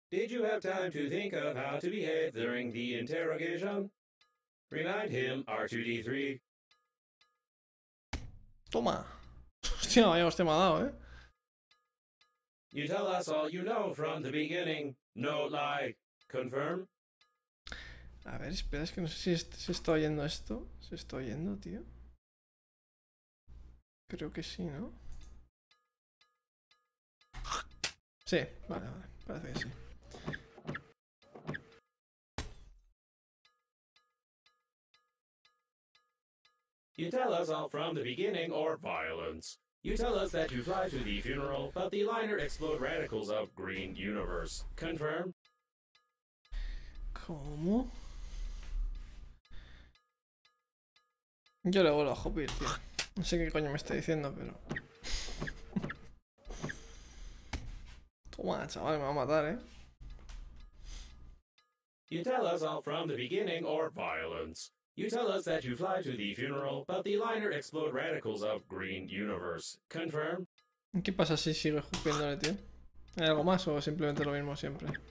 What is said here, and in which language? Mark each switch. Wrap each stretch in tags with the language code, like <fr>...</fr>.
<en>Did you have time to think of how to behave during the interrogation? Remind him R2D3.</en> <es>Toma. Hostia, vaya hostia me ha dado, eh.</es> <en>You tell us all you know from the beginning. No lie. Confirm.</en> <es>A ver, espera, es que no sé si se está oyendo esto. ¿Se está oyendo, tío? Creo que sí, ¿no? Sí, vale, parece que sí.</es> <en>You tell us all from the beginning or violence. You tell us that you fly to the funeral, but the liner explode radicals of green universe. Confirm?</en> <es>¿Cómo? Yo le vuelvo a hopir, tío. No sé qué coño me está diciendo, pero. Buah, chaval, me va a matar, ¿eh?</es> <en>You tell us all from the beginning or violence. You tell us that you fly to the funeral, but the liner explode radicals of green universe. Confirm.</en> <es>¿Qué pasa si sigo escupiéndole, tío? ¿Hay algo más o simplemente lo mismo siempre?</es>